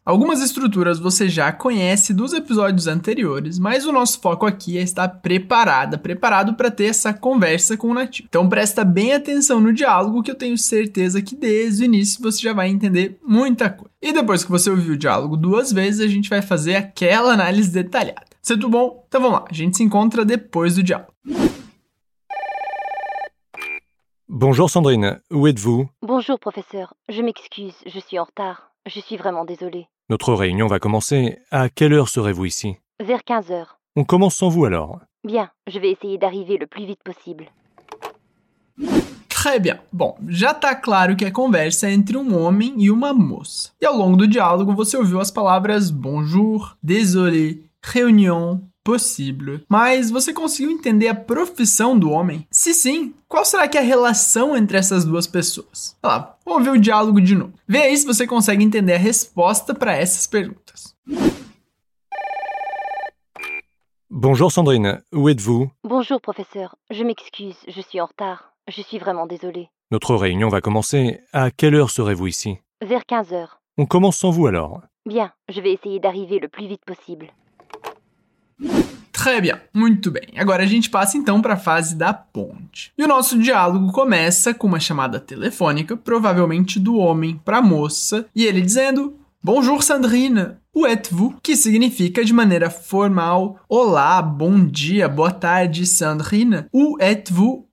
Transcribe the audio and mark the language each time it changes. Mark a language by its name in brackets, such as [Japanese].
[Portuguese] Algumas estruturas você já conhece dos episódios anteriores, mas o nosso foco aqui é estar preparado para ter essa conversa com o nativo. Então presta bem atenção no diálogo, que eu tenho certeza que desde o início você já vai entender muita coisa. E depois que você ouvir o diálogo duas vezes, a gente vai fazer aquela análise detalhada. C'est tout bon? Então vamos lá, a gente se encontra depois do diálogo. [French] Bonjour Sandrine, où êtes-vous? Bonjour professeur, je m'excuse, je suis en retard. Je suis vraiment désolée. Notre réunion va commencer. À quelle heure serez-vous ici? Vers 15h. On commence sans vous alors. Bien, je vais essayer d'arriver le plus vite possible. Très bien. [Portuguese] Bom, já tá claro que a conversa é entre um homem e uma moça. E ao longo do diálogo você ouviu as palavras bonjour, désolé, réunion, possible. Mas você conseguiu entender a profissão do homem? Se sim, qual será que é a relação entre essas duas pessoas? Olha lá, vamos ver o diálogo de novo. Vê aí se você consegue entender a resposta para essas perguntas. [French] Bonjour Sandrine, où êtes-vous? Bonjour professeur, je m'excuse, je suis en retard. Je suis vraiment désolée. Notre réunion va commencer. À quelle heure serez-vous ici? Vers 15h. On commence sans vous alors. Bien, je vais essayer d'arriver le plus vite possible. Très bien, muito bem. [Portuguese] Agora a gente passa então para a fase da ponte. E o nosso diálogo começa com uma chamada telefônica, provavelmente do homem para a moça, e ele dizendo: Bonjour Sandrine, où êtes-vous? Que significa de maneira formal: Olá, bom dia, boa tarde Sandrine, où êtes-vous?